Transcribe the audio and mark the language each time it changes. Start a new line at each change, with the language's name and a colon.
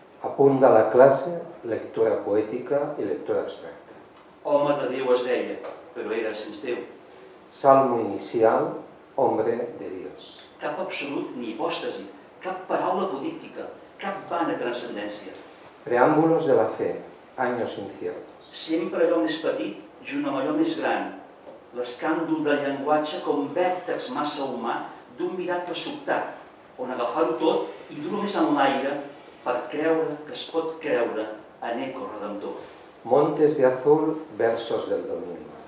Catalan: A punt de la classe, lectura poètica i lectura abstracta. Home de Déu es deia, però era sens Déu.
Spanish: Salmo inicial, hombre de Dios.
Catalan: Cap absolut ni hipòstasi, cap paraula apodíctica, cap vana transcendència.
Spanish: Preàmbulos de la fe, años inciertos.
Catalan: Sempre allò més petit, junt amb allò més gran. L'escàndol del llenguatge com vèrtex massa humà d'un miracle sobtat, on agafar-ho tot i dur-ho més en l'aire per creure que es pot creure en eco redemptor.
Spanish: Montes de azul, versos del domingo.